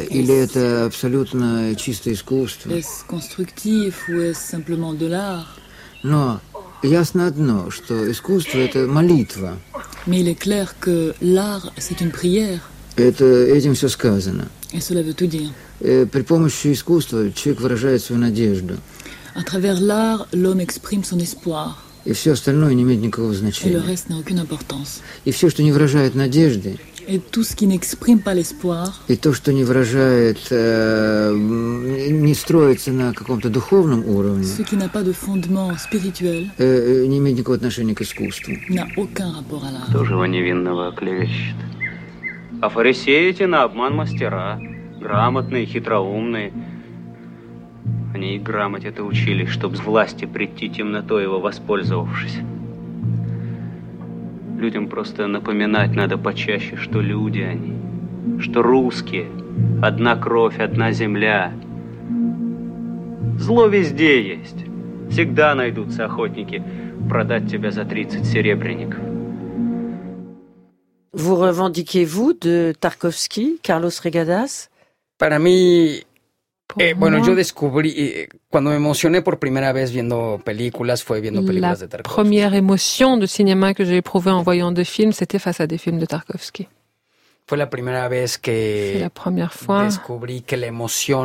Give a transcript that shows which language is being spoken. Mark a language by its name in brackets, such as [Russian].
[Russian] Или это абсолютно чистое искусство? [French] Est-ce constructif ou est-ce simplement de l'art? [Russian] Но ясно одно, что искусство – это молитва. [French] Mais il est clair que l'art, c'est une prière. [Russian] Это этим все сказано. [French] Et cela veut tout dire. [Russian] При помощи искусства человек выражает свою надежду. [French] À travers l'art, l'homme exprime son espoir. [Russian] И все остальное не имеет никакого значения. И [French] le reste n'a aucune importance. [Russian] И все, что не выражает надежды. [French] Et tout ce qui n'exprime pas l'espoir. [Russian] И то, что не выражает, не строится на каком-то духовном уровне. [French] Ce qui n'a pas de fondement spirituel. [Russian] Не имеет никакого отношения к искусству. N'a aucun rapport à l'art. Кто же его невинного оклевещет? А фарисеи эти на обман мастера. Грамотные, хитроумные. Они и грамоте-то учили, чтобы с власти прийти темнотой его воспользовавшись. Людям просто напоминать надо почаще, что люди они, что русские, одна кровь, одна земля. Зло везде есть. Всегда найдутся охотники продать тебя за 30 серебряников. [French] Vous revendiquez-vous de Tarkovsky, Carlos Regadas? [Spanish] Para mí... bueno, yo descubrí, cuando me emocioné por primera vez viendo películas, fue viendo películas la de Tarkovsky. [French] La première émotion de cinéma que j'ai éprouvée en voyant des films, c'était face à des films de Tarkovsky. [Spanish] Fue la primera vez que descubrí que la emoción